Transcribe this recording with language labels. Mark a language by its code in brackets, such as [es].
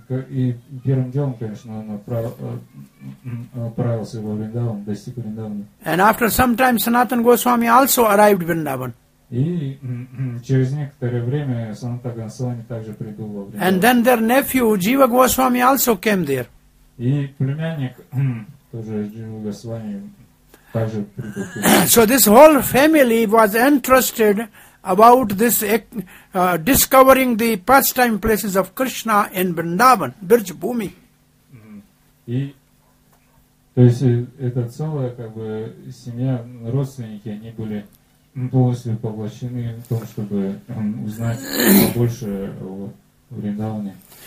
[ru] И первым делом, конечно, он отправился во Вриндаван, достиг Вриндавана. [en] And after some time Sanatana Goswami also arrived Vrindavan. [ru] И через некоторое время Sanatana Goswami также прибыл во Вриндаван. [en] And then their nephew Jiva Goswami also came there. [ru] И племянник тоже Джива Госвами также прибыл. [en] So this whole family was entrusted about this discovering the pastime places of Krishna in Vrindavan, Birj Bhumi. [ru] И то есть эта целая как бы семья, родственники, они были полностью поглощены в том, чтобы узнать побольше о Вриндаване.